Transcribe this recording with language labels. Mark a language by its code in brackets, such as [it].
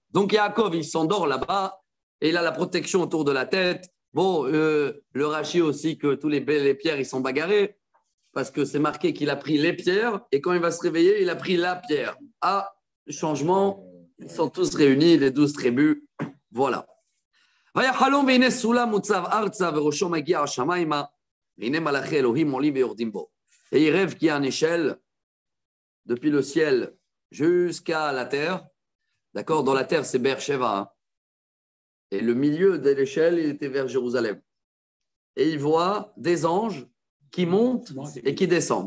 [fr] Donc Yaakov, il s'endort là-bas, et il a la protection autour de la tête. Bon, le Rashi aussi, que tous les pierres, ils sont bagarrés, parce que c'est marqué qu'il a pris les pierres, et quand il va se réveiller, il a pris la pierre. Ah, changement, ils sont tous réunis, les 12 tribus, voilà. [he] ויחלום והנה סולם מוצב ארצה וראשו מגיע השמיימה והנה מלאכי אלוהים עולים ויורדים בו. [fr] Et il rêve qu'il y a un échelle depuis le ciel jusqu'à la terre. D'accord, dans la terre c'est Be'er Sheva. Et le milieu de l'échelle il était vers Jérusalem. Et il voit des anges qui montent et qui descendent.